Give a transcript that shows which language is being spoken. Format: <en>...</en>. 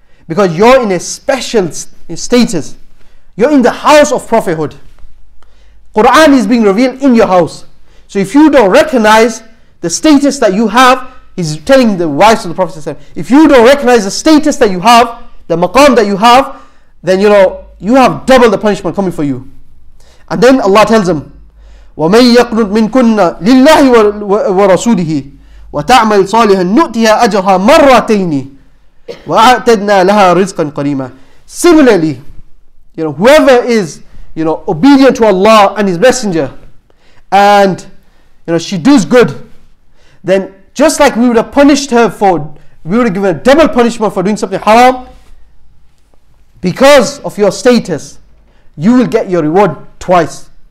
<en>Because you're in a special status. You're in the house of prophethood. Quran is being revealed in your house. So if you don't recognize the status that you have, he's telling the wives of the Prophet, if you don't recognize the status that you have, the maqam that you have, then, you know, you have double the punishment coming for you. And then Allah tells them,</en> <ar>وَمَنْ يَقْنُطْ مِنْكُنَّ لِلَّهِ وَرَسُولِهِ وَتَعْمَلْ صَالِحًا نُؤْتِهَا أَجْرَهَا مَرَّتَيْنِ وَأَعْتَدْنَا لَهَا رِزْقًا قَرِيمًا.</ar> <en>Similarly, you know, whoever is, you know, obedient to Allah and His Messenger, and, you know, she does good, then just like we would have punished her for, we would have given a double punishment for doing something haram, because of your status, you will get your reward twice.</en>